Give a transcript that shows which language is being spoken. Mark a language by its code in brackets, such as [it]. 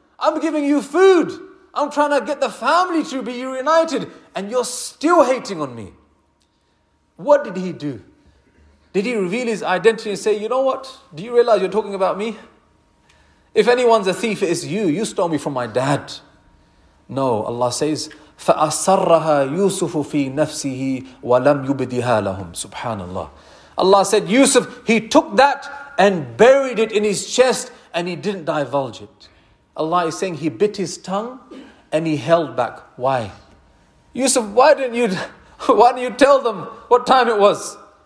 [en] I'm giving you food. I'm trying to get the family to be reunited. And you're still hating on me. What did he do? Did he reveal his identity and say, you know what? Do you realize you're talking about me? If anyone's a thief, it's you. You stole me from my dad. No, Allah says, [ar] فَأَصَرَّهَا يُوسُفُ فِي نَفْسِهِ وَلَمْ يُبْدِهَا لَهُمْ. Subhanallah. [en] Allah said, Yusuf, he took that and buried it in his chest and he didn't divulge it. Allah is saying he bit his tongue and he held back. Why? Yusuf, why didn't you tell them what time it was?